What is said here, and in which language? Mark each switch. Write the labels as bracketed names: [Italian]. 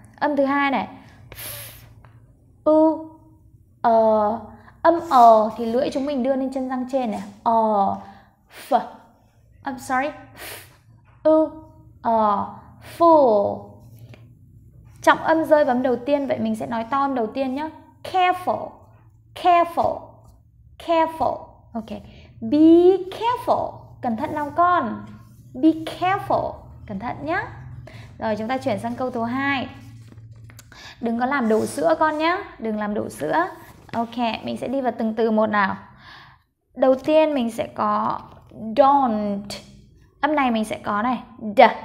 [Vietnamese] Âm thứ hai này, u, ờ. Âm ờ thì lưỡi chúng mình đưa lên chân răng trên này, ờ, f, [English] I'm sorry, [Vietnamese] f, u, ờ, full. Trọng âm rơi vào âm đầu tiên, vậy mình sẽ nói to âm đầu tiên nhé. [English] Careful, careful, careful. Ok, be careful, [Vietnamese] cẩn thận nào con. [English] Be careful, [Vietnamese] cẩn thận nhé. Rồi chúng ta chuyển sang câu thứ hai. Đừng có làm đổ sữa con nhé, đừng làm đổ sữa. Ok, mình sẽ đi vào từng từ một nào. Đầu tiên mình sẽ có don't. Âm này mình sẽ có này, d.